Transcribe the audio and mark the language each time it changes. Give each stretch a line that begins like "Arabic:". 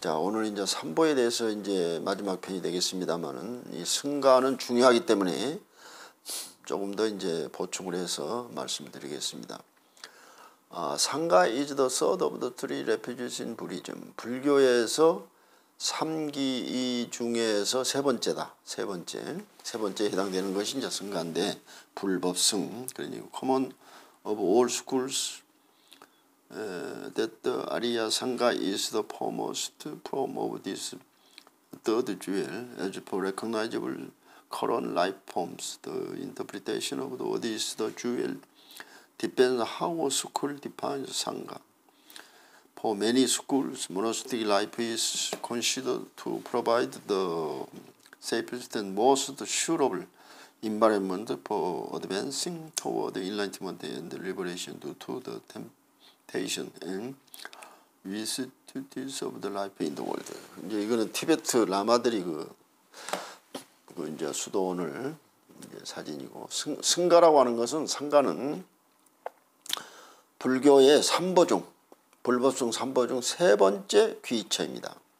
Korean: 자, 오늘 이제 3보에 대해서 이제 마지막 편이 되겠습니다만은 이 승가는 중요하기 때문에 조금 더 이제 보충을 해서 말씀드리겠습니다.
English: 아, 상가 is the third of the three refuges in Buddhism.
Korean: 불교에서 3기 중에서 세 번째다. 세 번째에 해당되는 것이 이제 승가인데, 불법승. 그러니까
English: common of all schools that the Arya Sangha is the foremost form of this third jewel as for recognizable current life forms. The interpretation of what is the jewel depends on how a school defines Sangha. For many schools, monastic life is considered to provide the safest and most suitable environment for advancing toward enlightenment and liberation due to the temptation and vicissitudes of the life in the world.
Korean: 이제 이거는 티베트 라마들이 그 이제 수도원을 이제 사진이고 승가라고 하는 것은 상가는 불교의 3보 중 불법승 3보 중 세 번째 귀처입니다.